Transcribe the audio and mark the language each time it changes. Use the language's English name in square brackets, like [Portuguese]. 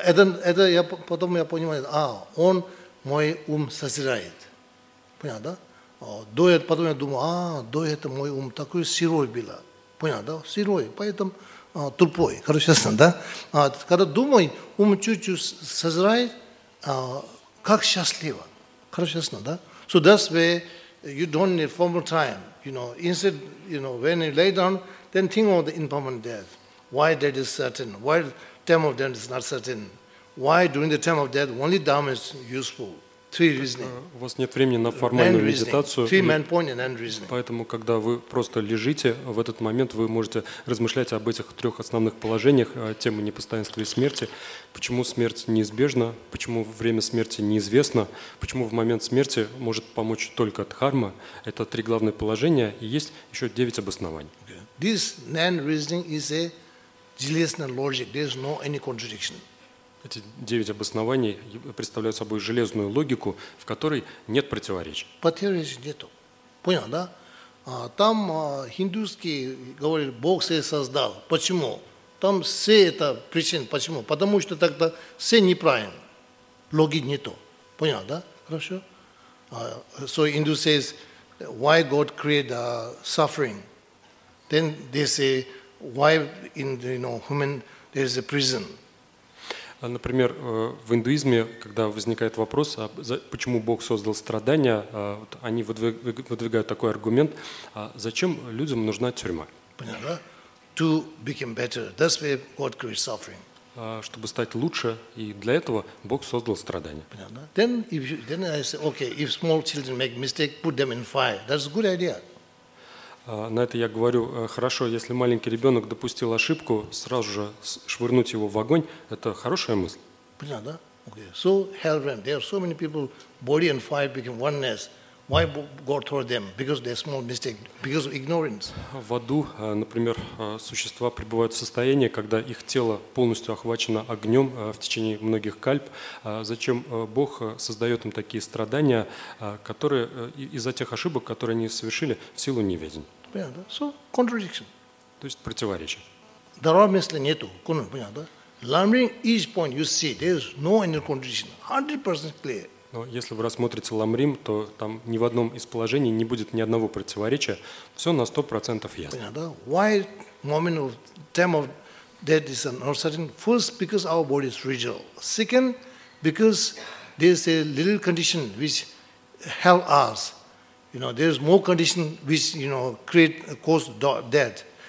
[Russian] Это я потом я понимаю, а, он мой ум созирает. Понятно, да? До этого потом я думаю, а, до этого мой ум такой сырой был. Понятно, да? Сырой, поэтому тупой. Хорошо, ясно, да? Когда думаю, ум чуть-чуть созирает, как счастливо. Хорошо, ясно, да? [English] So that's where you don't need formal time. You know, instead, you know, when you lay down, then think of the impermanent death. Why death is certain? Why time of death is not certain? Why during the time of death only Dharma is useful? [Russian] У вас нет времени на формальную медитацию, поэтому, когда вы просто лежите, в этот момент вы можете размышлять об этих трех основных положениях темы непостоянства и смерти, почему смерть неизбежна, почему время смерти неизвестно, почему в момент смерти может помочь только дхарма. Это три главные положения, и есть еще 9 обоснований. [English] This non-reasoning is a [Russian] железная логика, [English] there is no any contradiction. [Russian] Эти 9 обоснований представляют собой железную логику, в которой нет противоречий. Противоречий нету. Понял, да? Там индусские говорят, Бог все создал. Почему? Там все это причины. Почему? Потому что тогда все неправильно. Логики нету. Понял, да? Хорошо? [English] So Hindu says, why God create suffering? Then they say, why in the, you know, human there is a prison? [Russian] Например, в индуизме, когда возникает вопрос, почему Бог создал страдания, они выдвигают такой аргумент, зачем людям нужна тюрьма? Понятно, да? [English] To become better. That's why God creates suffering. [Russian] Чтобы стать лучше, и для этого Бог создал страдания. Понятно, да? [English] Then I say, okay, if small children make mistake, put them in fire. That's a good idea. [Russian] На это я говорю, хорошо, если маленький ребенок допустил ошибку, сразу же швырнуть его в огонь, это хорошая мысль. Понятно, да? Okay. [English] So, hell realm, there are so many people, body and fire became oneness. Why God told them? Because they're small mistake, because of ignorance. [Russian] В аду, например, существа пребывают в состоянии, когда их тело полностью охвачено огнем в течение многих кальп. Зачем Бог создает им такие страдания, которые из-за тех ошибок, которые они совершили, в силу неведения? Понятно, да? [English] So, contradiction. [Russian] То есть противоречие. Дорога мысли нету. Понятно, да? [English] Learning each point you see, there is no any contradiction. 100% clear. [Russian] Но если вы рассмотрите Ламрим, то там ни в одном из положений не будет ни одного противоречия. Все на 100% ясно. Понятно, да? [English] Why moment of time of death is not certain? First, because our body is fragile. Second, because there is a little condition which help us. You know, there is more condition which, you know, create cause death.